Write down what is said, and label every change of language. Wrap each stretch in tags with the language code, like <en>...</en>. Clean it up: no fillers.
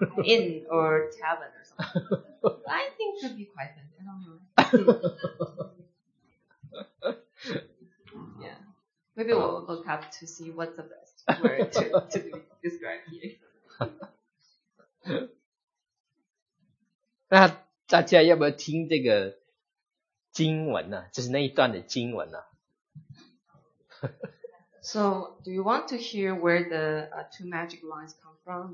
<en>inn or tavern or something. I think it should be quite fancy. I don't know yeah, maybe we'll look up to see what's the best word to describe here.</en> <zh>那大家要不要听这个经文呢？就是那一段的经文呢？</zh> <en>So, do you want to hear where the two magic lines come from?</en>